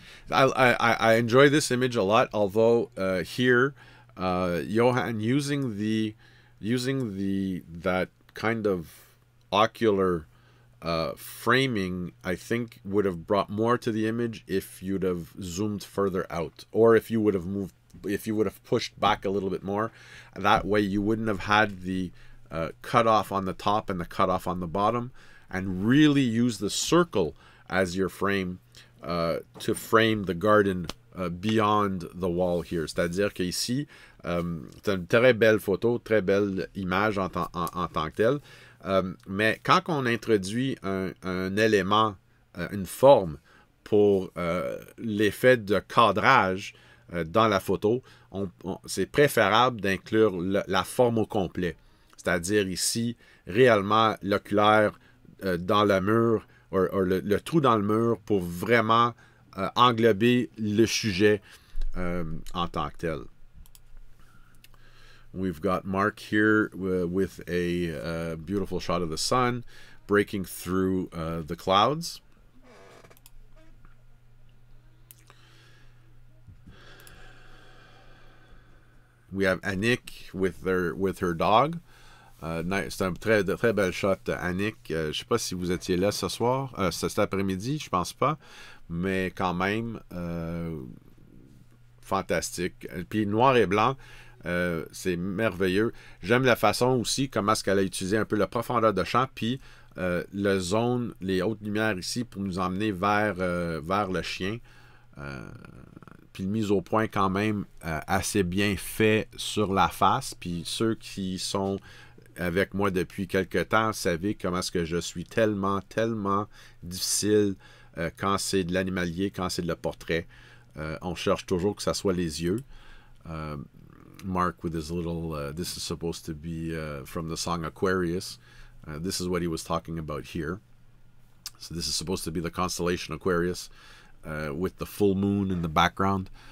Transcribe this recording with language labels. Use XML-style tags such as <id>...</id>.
<en>I enjoy this image a lot, although here Johan using the that kind of ocular framing, I think would have brought more to the image if you'd have zoomed further out, or if you would have pushed back a little bit more. That way you wouldn't have had the cutoff on the top and the cutoff on the bottom, and really use the circle as your frame to frame the garden beyond the wall here.</en> <fr>C'est-à-dire que ici, c'est une très belle photo, très belle image en tant que telle. Mais quand on introduit un élément, une forme pour l'effet de cadrage dans la photo, c'est préférable d'inclure la forme au complet. C'est-à-dire ici, réellement, l'oculaire dans le mur, ou le trou dans le mur pour vraiment englober le sujet en tant que tel.</fr> <en>We've got Mark here with a beautiful shot of the sun breaking through the clouds. We have Annick with her dog.</en> <fr>C'est un très, très belle shot, Annick. Je ne sais pas si vous étiez là ce soir, cet après-midi, je ne pense pas. Mais quand même, fantastique. Puis noir et blanc, c'est merveilleux. J'aime la façon aussi, comment est-ce qu'elle a utilisé un peu la profondeur de champ, puis la zone, les hautes lumières ici, pour nous emmener vers le chien. Puis une mise au point quand même assez bien fait sur la face. Puis ceux qui sont avec moi depuis quelque temps, savez comment est-ce que je suis tellement, tellement difficile quand c'est de l'animalier, quand c'est de le portrait. On cherche toujours que ça soit les yeux.</fr> <en>Mark with his little, this is supposed to be from the song Aquarius. This is what he was talking about here. So this is supposed to be the constellation Aquarius with the full moon in the background.</en>